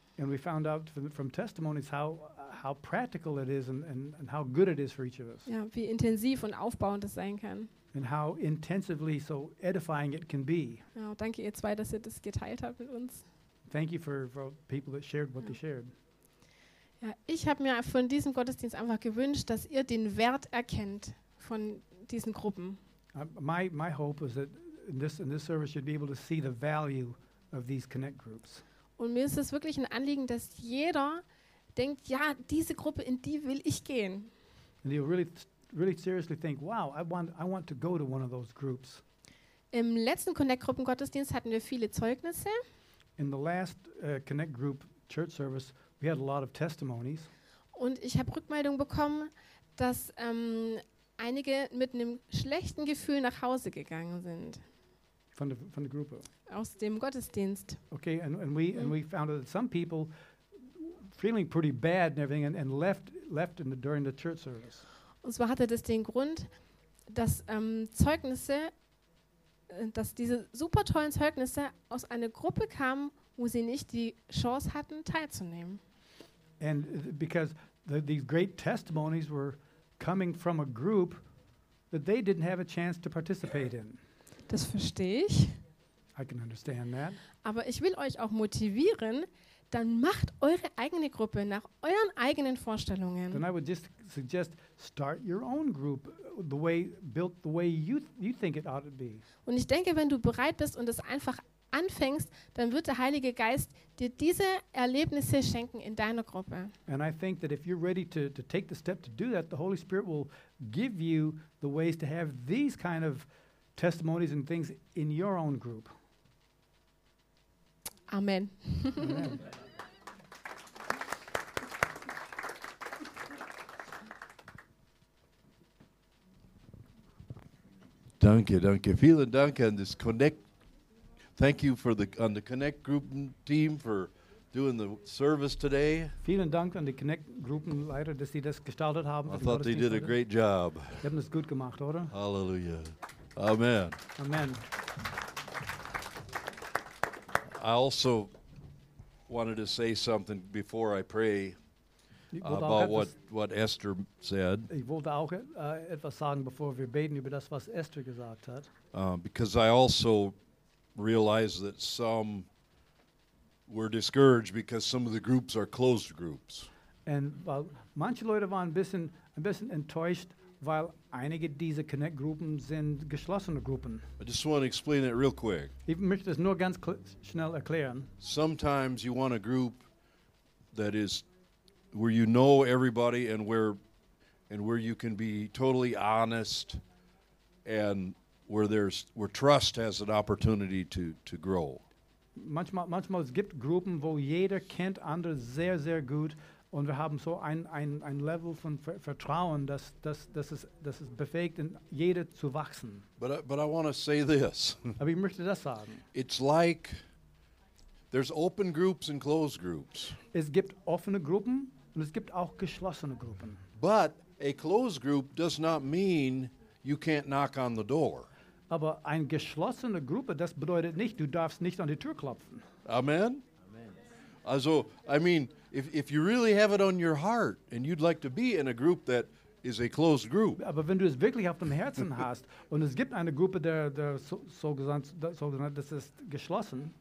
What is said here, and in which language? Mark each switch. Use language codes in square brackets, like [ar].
[en] And we found out from testimonies how practical it is and how good it is for each of us. [de] Ja, wie intensiv und aufbauend es sein kann. [en] And how intensively so edifying it can be. [de] Ja, danke ihr zwei, dass ihr das geteilt habt mit uns. [en] Thank you for people that shared what they shared. [de] Ja, ich habe mir von diesem Gottesdienst einfach gewünscht, dass ihr den Wert erkennt von diesen Gruppen. [en] My hope is that in this service you'd be able to see the value of these Connect groups. [de] Und mir ist es wirklich ein Anliegen, dass jeder denkt, ja, diese Gruppe, in die will ich gehen. [en] And you really seriously think, wow, I want to go to one of those groups. [de] Im letzten Connect Gruppengottesdienst hatten wir viele Zeugnisse. [en] In the last Connect group church service, we had a lot of testimonies. [de] Und ich habe Rückmeldung bekommen, dass einige mit einem schlechten Gefühl nach Hause gegangen sind. [en] From the group. [de] Aus dem Gottesdienst. [en] Okay, and we found out that some people feeling pretty bad and everything and left in the during the church service. [de] Und zwar hatte das den Grund, dass Zeugnisse, dass diese super tollen Zeugnisse aus einer Gruppe kamen, wo sie nicht die Chance hatten, teilzunehmen. [en] And because these great testimonies were coming from a group that they didn't have a chance to participate in. [de] Das verstehe ich. [en] I can understand that. [de] Aber ich will euch auch motivieren, dann macht eure eigene Gruppe nach euren eigenen Vorstellungen. [en] Then I would just suggest start your own group the way built the way you think it ought to be. [de] Und ich denke, wenn du bereit bist und es einfach anfängst, dann wird der Heilige Geist dir diese Erlebnisse schenken in deiner Gruppe. [en] And I think that if you're ready to take the step to do that, the Holy Spirit will give you the ways to have these kind of testimonies and things in your own group. Amen. [de] Danke, danke. Vielen Dank an das Connect. [en] Thank you for the Connect group team for doing the service today. [de] Vielen Dank an die Connect Gruppenleiter, dass sie das gestaltet haben. [en] I thought they did a great job. [de] Sie haben es gut gemacht, oder? Hallelujah. Amen. Amen. [en] I also wanted to say something before I pray about what Esther said. [de] Ich wollte auch etwas sagen, bevor wir beten, über das, was Esther gesagt hat. [en] Because I also realize that some were discouraged because some of the groups are closed groups. [de] And weil manche Leute waren ein bisschen enttäuscht, weil einige dieser Connect-Gruppen sind geschlossene Gruppen. [en] I just want to explain it real quick. [de] Ich möchte es nur ganz schnell erklären. [en] Sometimes you want a group that is where you know everybody and where you can be totally honest and where trust has an opportunity to grow. [de] Manchmal es gibt Gruppen, wo jeder kennt andere sehr, sehr gut, und wir haben so ein Level von Vertrauen, dass es befähigt, jeder zu wachsen. [en] But I want to say this. [de] Aber ich möchte das sagen. [en] It's like there's open groups and closed groups. [de] Es gibt offene Gruppen und es gibt auch geschlossene Gruppen. [en] But a closed group does not mean you can't knock on the door. [de] Aber eine geschlossene Gruppe, das bedeutet nicht, du darfst nicht an die Tür klopfen. Amen. [en] Also, I mean, if you really have it on your heart and you'd like to be in a group that is a closed group. [de] Aber wenn du es wirklich auf dem Herzen hast und es gibt eine Gruppe, der das ist geschlossen.